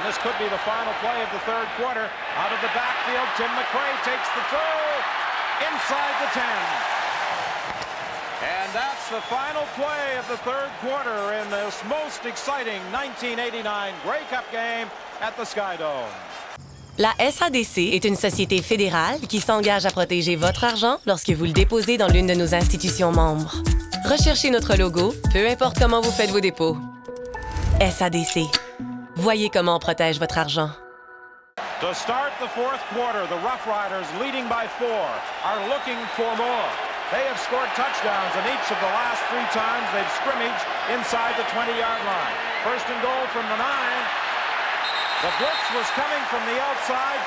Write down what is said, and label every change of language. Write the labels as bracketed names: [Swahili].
[English] This could be the final play of the third quarter. Out of the backfield, Tim McCray takes the throw inside the 10. And that's the final play of the third quarter in this most exciting 1989 Grey Cup game at the Sky Dome. [French] La SADC est une société fédérale qui s'engage à protéger votre argent lorsque vous le déposez dans l'une de nos institutions membres. Recherchez notre logo, peu importe comment vous faites vos dépôts. SADC. Voyez comment on protège votre argent. [English] To start the fourth quarter, the Rough Riders, leading by four, are looking for more. They have scored touchdowns in each of the last three times they've scrimmaged inside the 20-yard line. First and goal from the nine. The blitz was coming from the outside.